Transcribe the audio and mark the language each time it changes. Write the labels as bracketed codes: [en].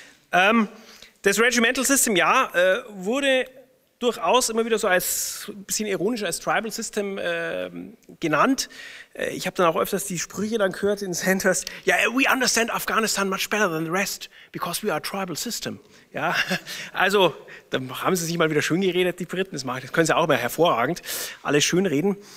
[de] Das Regimental System, ja, wurde durchaus immer wieder so als ein bisschen ironisch als Tribal System genannt. Ich habe dann auch öfters die Sprüche dann gehört in Centers. [en] Ja, yeah, we understand Afghanistan much better than the rest, because we are a tribal system. [de] Ja, also da haben sie sich mal wieder schön geredet, die Briten. Das können sie auch immer hervorragend alles schön reden.